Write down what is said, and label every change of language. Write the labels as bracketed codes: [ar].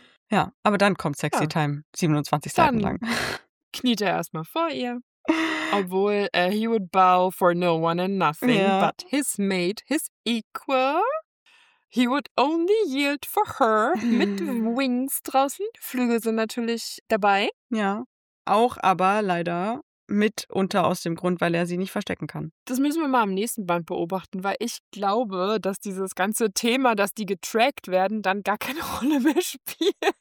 [de] Ja, aber dann kommt Sexy Time, 27 dann Seiten lang. Kniet er erstmal vor ihr. [en] Obwohl, he would bow for no one and nothing, but his mate, his equal, he would only yield for her, [de] mit Wings draußen. Flügel sind natürlich dabei. Ja, auch aber leider mitunter aus dem Grund, weil er sie nicht verstecken kann. Das müssen wir mal im nächsten Band beobachten, weil ich glaube, dass dieses ganze Thema, dass die getrackt werden, dann gar keine Rolle mehr spielt.